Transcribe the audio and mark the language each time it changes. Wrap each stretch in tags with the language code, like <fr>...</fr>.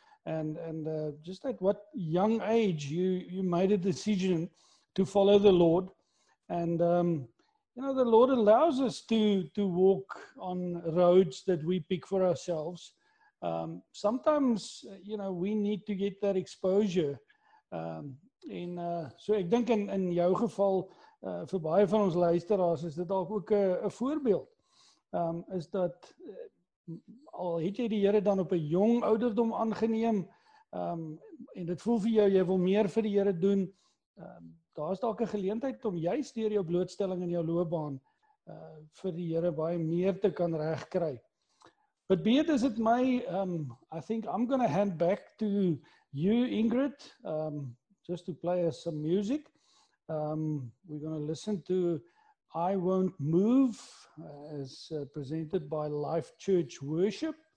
<en>and just at what young age you made a decision to follow the Lord. And the Lord allows us to walk on roads that we pick for ourselves. Sometimes, we need to get that exposure.</en> <af>Ek dink in jou geval, vir baie van ons luisteraars, is dit ook 'n voorbeeld. Is dat, al het jy die Here dan op 'n jong ouderdom aangeneem, en dit voel vir jou, jy wil meer vir die Here doen, daar is dalk 'n geleentheid om juist deur jou blootstelling in jou loopbaan, vir die Here baie meer te kan regkry.</af> <en>But be it as it may, I think I'm going to hand back to you, Ingrid, just to play us some music. We're going to listen to I Won't Move, as presented by Life Church Worship.</en>